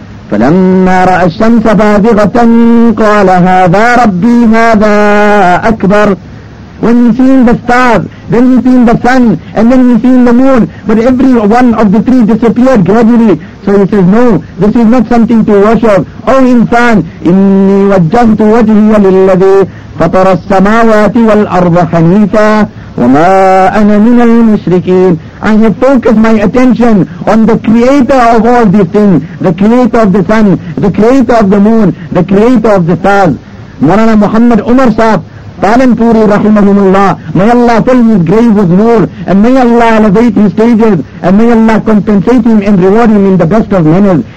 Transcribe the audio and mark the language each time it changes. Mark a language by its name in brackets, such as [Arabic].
[Arabic] فَلَمَّا رَأَى الشَّمْسَ بَازِغَةً قَالَ هَذَا رَبِّي هَذَا أَكْبَرُ. [English] When you see the stars, then we seen the sun, and then we seen the moon, but every one of the three disappeared gradually. So he says, no, this is not something to worship. [Arabic] O insan, إِنِّي وَجَّهْتُ وَجْهِيَ لِلَّذِي فَطَرَ السَّمَاوَاتِ وَالْأَرْضَ حَنِيفًا وَمَا أَنَا مِنَ الْمُشْرِكِينَ. [English] I have focused my attention on the creator of all these things, the creator of the sun, the creator of the moon, the creator of the stars. Marana Muhammad Umar Saab, Palanpuri rahimahumullah, may Allah fill his grave with nur, and may Allah elevate his stages, and may Allah compensate him and reward him in the best of manners.